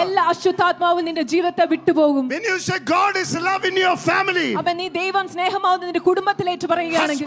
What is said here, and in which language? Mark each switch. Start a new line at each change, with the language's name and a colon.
Malayalam: എല്ലാ അശുദ്ധാത്മാവും നിന്റെ ജീവിതത്തെ വിട്ടുപോകും.
English: When you say God is love in your family.
Malayalam: അമേൻ. നീ ദൈവം സ്നേഹമാകുന്നു നിന്റെ കുടുംബത്തിൽ ഏറ്റു പറയുകയാണെങ്കിൽ